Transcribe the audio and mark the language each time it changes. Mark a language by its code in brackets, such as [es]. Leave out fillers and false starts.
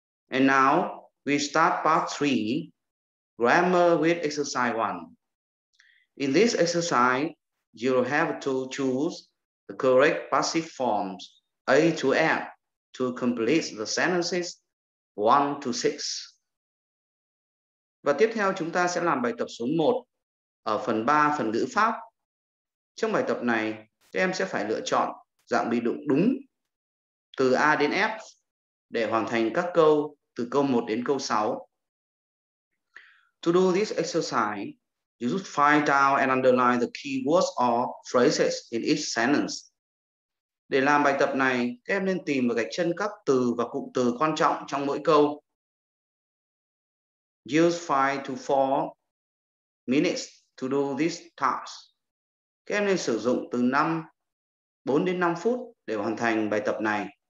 [en] And now we start part 3, grammar with exercise 1. In this exercise, you'll have to choose the correct passive forms A to F to complete the sentences 1 to 6. [vi] Và tiếp theo chúng ta sẽ làm bài tập số 1 ở phần 3, phần ngữ pháp. Trong bài tập này, các em sẽ phải lựa chọn dạng bị động đúng từ A đến F để hoàn thành các câu từ câu 1 đến câu 6. [en] To do this exercise, you should find out and underline the key words or phrases in each sentence. [vi] Để làm bài tập này, các em nên tìm và gạch chân các từ và cụm từ quan trọng trong mỗi câu. [en] use 5 to 4 minutes to do this task. [vi] Các em nên sử dụng từ 4 đến 5 phút để hoàn thành bài tập này.